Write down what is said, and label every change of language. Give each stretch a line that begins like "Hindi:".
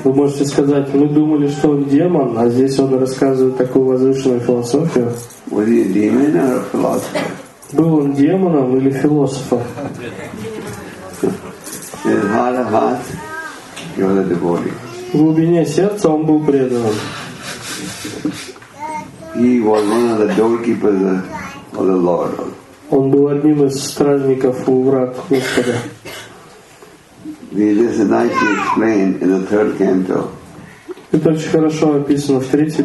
Russian: Вы можете сказать, мы думали, что он демон, а здесь он рассказывает такую возвышенную философию.
English: Was he a demon or a philosopher?
Russian: Был он демоном или философом?
English: In heart of heart, he was a devotee.
Russian: В глубине сердца он был преданным.
English: He was one of the doorkeepers of the Lord.
Russian: Он был одним из стражников у врат Господа.
English: This is nicely explained in the third canto.
Russian: Это очень хорошо описано в третьей